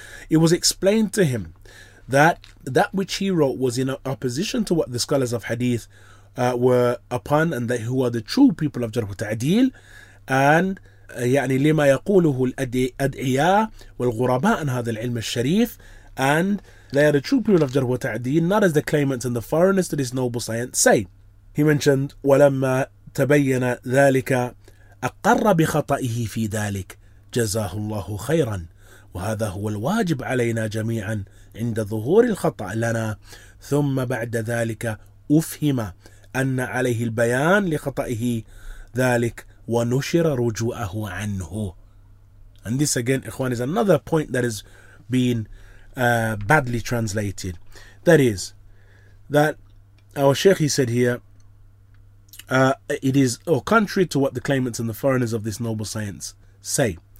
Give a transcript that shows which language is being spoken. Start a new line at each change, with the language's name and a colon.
English: It was explained to him that that which he wrote was in opposition to what the scholars of hadith were upon, and that who are the true people of Jarh wa Ta'dil, and
Arabic: يعني لما يقوله الأدعياء والغرباء عن هذا العلم الشريف,
English: and they are the true people of Jarh wa Ta'dil, not as the claimants and the foreigners to this noble science say. He mentioned
Arabic: ولما تبين ذلك أقر بخطئه في ذلك جزاه الله خيرا وهذا هو الواجب علينا جميعا عند ظهور الخطأ لنا ثم بعد ذلك أفهم أن عليه البيان لخطئه ذلك ونشر رجوعه عنه.
English: And this again, Ikhwan, is another point that has been badly translated. That is, that our Sheikh, he said here, it is, or contrary to what the claimants and the foreigners of this noble science say.